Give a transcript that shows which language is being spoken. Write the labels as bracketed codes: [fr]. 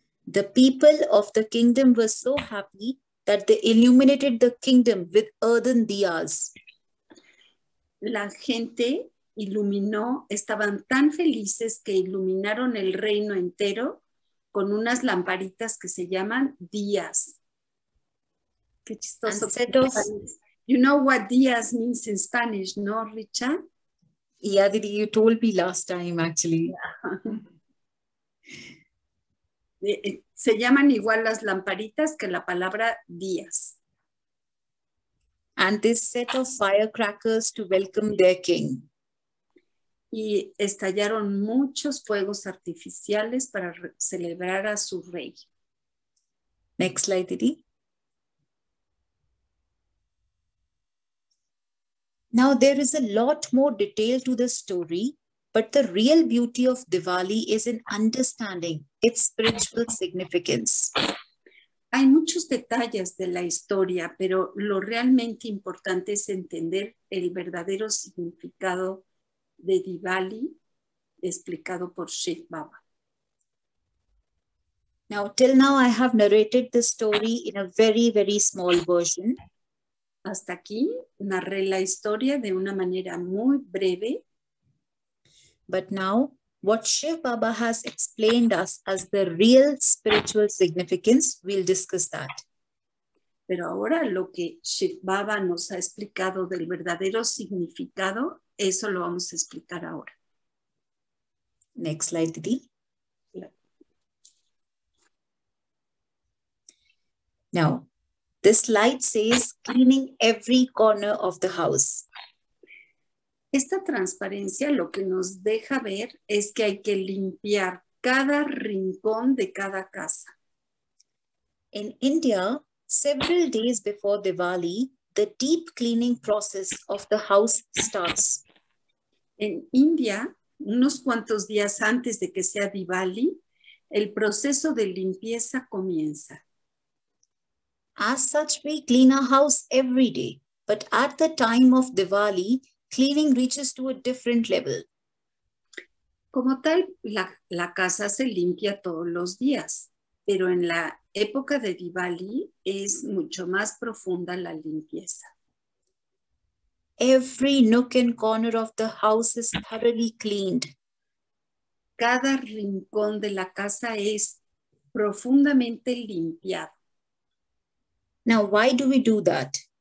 [en] The people of the kingdom were so happy that they illuminated the kingdom with earthen diyas. [es] La gente iluminó, estaban tan felices que iluminaron el reino entero con unas lamparitas que se llaman diyas. Qué chistoso. [en] You know what diyas means in Spanish, no, Richard? Yeah, Didi, you told me last time, actually. [es] Se llaman igual las lamparitas que la palabra días. [en] And this set of firecrackers to welcome their king. [es] Y estallaron muchos fuegos artificiales para celebrar a su rey. [en] Next slide, Didi. Now there is a lot more detail to the story, but the real beauty of Diwali is in understanding its spiritual significance. [es] Hay muchos detalles de la historia, pero lo realmente importante es entender el verdadero significado de Diwali explicado por Sheikh Baba. [en] Now, till now I have narrated the story in a very, very small version. [es] Hasta aquí narré la historia de una manera muy breve. [en] But now, what Shiv Baba has explained us as the real spiritual significance, we'll discuss that. [es] Pero ahora lo que Shiv Baba nos ha explicado del verdadero significado, eso lo vamos a explicar ahora. [en] Next slide, Didi. Now, this light says cleaning every corner of the house. [es] Esta transparencia lo que nos deja ver es que hay que limpiar cada rincón de cada casa. [en] In India, several days before Diwali, the deep cleaning process of the house starts. [es] En India, unos cuantos días antes de que sea Diwali, el proceso de limpieza comienza. [en] As such, we clean our house every day, but at the time of Diwali, cleaning reaches to a different level. [es] Como tal, la casa se limpia todos los días, pero en la época de Diwali es mucho más profunda la limpieza. [en] Every nook and corner of the house is thoroughly cleaned. [es] Cada rincón de la casa es profundamente limpiado. [en] Now, why do we do that?